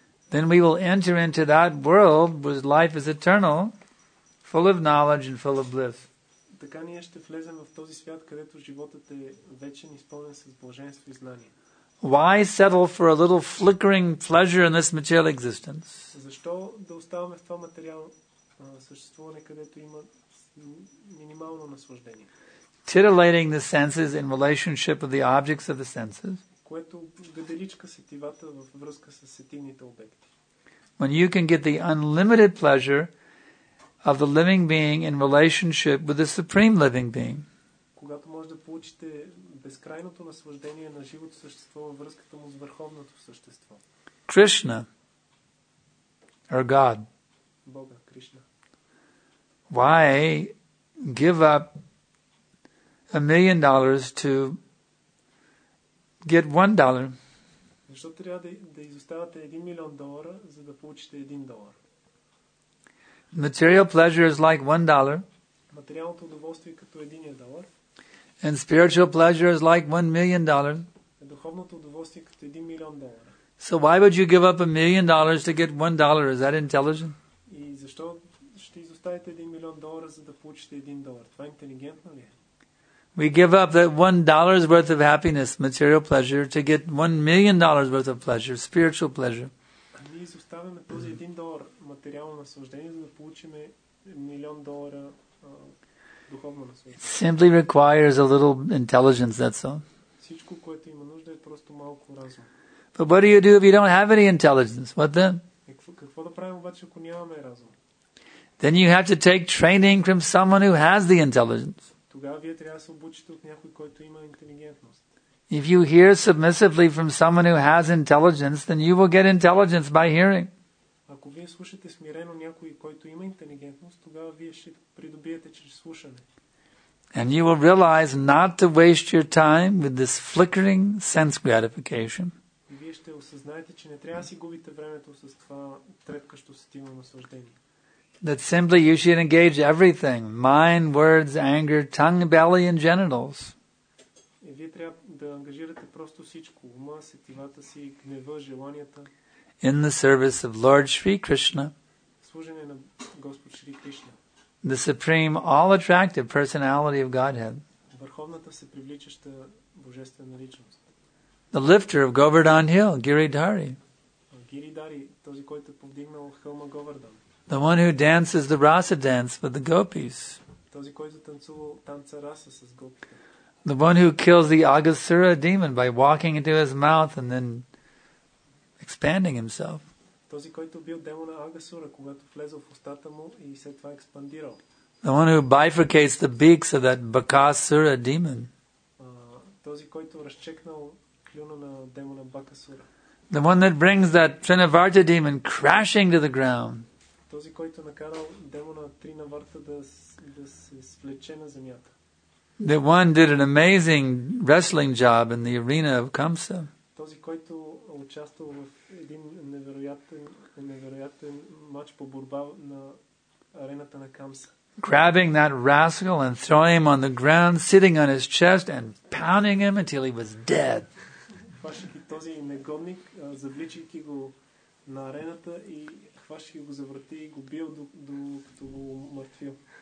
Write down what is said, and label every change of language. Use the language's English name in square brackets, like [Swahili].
[English] Then we will enter into that world whose life is eternal, full of knowledge and full of bliss. [Bulgarian] Така ние ще влезем в този свят, където животът е вечен, изпълнен с блаженство и знание. [English] Why settle for a little flickering pleasure in this material existence? [Bulgarian] Защо да оставаме в това материално съществуване, където има минимално наслаждение? [English] Titillating the senses in relationship with the objects of the senses. [Bulgarian] Което гаделичка сетивата във връзка с сетивните обекти. [English] When you can get the unlimited pleasure of the living being in relationship with the supreme living being. [Bulgarian] Когато може да получите безкрайното наслаждение на живото същество във връзката му с върховното същество. [English] Krishna or God. [Bulgarian] Бога Кришна. [English] Why give up $1,000,000 to get $1? [Bulgarian] Защо трябва да изоставате 1 милион долара, за да получите 1 долар? [English] Material pleasure is like $1. [Bulgarian] Материалното удоволствие като единия долар. [English] And spiritual pleasure is like $1,000,000. [Bulgarian] Духовното удоволствие като 1 милион долара. [English] So why would you give up $1,000,000 to get $1? Is that intelligent? [Bulgarian] И защо ще изоставите 1 милион долара, за да получите 1 долар? Това интелигентно ли е? [English] We give up that $1 worth of happiness, material pleasure, to get $1,000,000 worth of pleasure, spiritual pleasure. [Bulgarian] Ние изоставяме този един долар материално наслаждение, за да получим милион долара духовно наслаждение. [English] It simply requires a little intelligence, that's all. [Bulgarian] Всичко, което има нужда, е просто малко разум. [English] But what do you do if you don't have any intelligence? What then? [Bulgarian] Какво да правим обаче, ако нямаме разум? [English] Then you have to take training from someone who has the intelligence. [Bulgarian] Тогава вие трябва да се обучите от някой, който има интелигентност. [English] If you hear submissively from someone who has intelligence, then you will get intelligence by hearing. [Bulgarian] Ако вие слушате смирено някой, който има интелигентност, тогава вие ще придобиете чрез слушане. [English] And you will realize not to waste your time with this flickering sense gratification. [Bulgarian] И вие ще осъзнаете, че не трябва да си губите времето с това трепкащо сетивно наслаждение. [English] That simply you should engage everything: mind, words, anger, tongue, belly, and genitals. [Bulgarian] Вие трябва да ангажирате просто всичко: ума, сетивата си, гнева, желанията. [English] In the service of Lord Shri Krishna. [Bulgarian] Служене на Господ Шри Кришна. [English] The supreme, all-attractive personality of Godhead. [Bulgarian] Върховната се привличаща божествена личност. [English] The lifter of Govardhan Hill, Giridhari. [Bulgarian] Giridhari, този, който е повдигнал хълма Говардан. [English] The one who dances the Rasa dance with the gopis. [Bulgarian] Този, който танцува танца Раса с гопите. [English] The one who kills the Agasura demon by walking into his mouth and then expanding himself. [Bulgarian] Този, който бил демона Агасура, когато влезе в устата му и след това експандирал. [English] The one who bifurcates the beaks of that Bakasura demon. [Bulgarian] Този, който разчекнал клюна на демона Бакасура. [English] The one that brings that Trinavarta demon crashing to the ground. [Bulgarian] Този, който накарал демона Тринаварта да се свлече на земята. [English] The one did an amazing wrestling job in the arena of Kamsa. [Bulgarian] Този, който участвал в един невероятен мач по борба на арената на Камса. [English] Grabbing that rascal and throwing him on the ground, sitting on his chest and pounding him until he was dead. [Bulgarian] Хващайки този негодник, завличайки го на арената и хващайки го за врати и го бил до като го умъртвил.